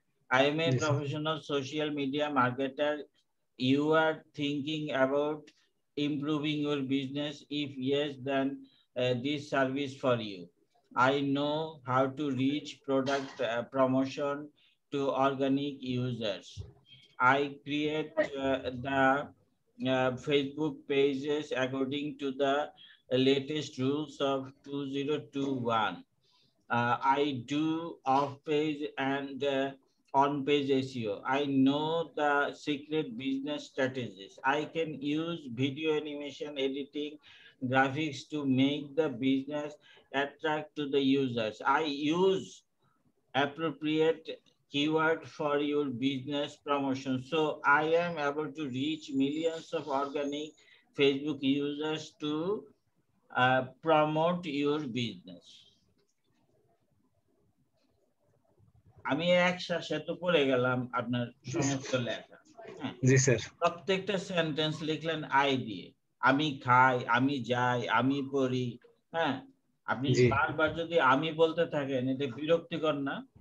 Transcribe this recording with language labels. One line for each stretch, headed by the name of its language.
English: I am a professional social media marketer, you are thinking about improving your business, if yes then this service for you. I know how to reach product promotion to organic users. I create the Facebook pages according to the latest rules of 2021. I do off-page and on-page SEO. I know the secret business strategies. I can use video animation editing graphics to make the business attract to the users. I use appropriate keyword for your business promotion. So I am able to reach millions of organic Facebook users to promote your business.
Bangla: আমি এক শাসে তো পড়ে গেলাম আপনার সমস্ত লেখা। জি sir. প্রত্যেকটা sentence লিখলেন আই দিয়ে, আমি খাই, আমি যাই, আমি পড়ি। হ্যাঁ আপনি বারবার যদি আমি বলতে থাকেন এটা বিরক্তিকর না?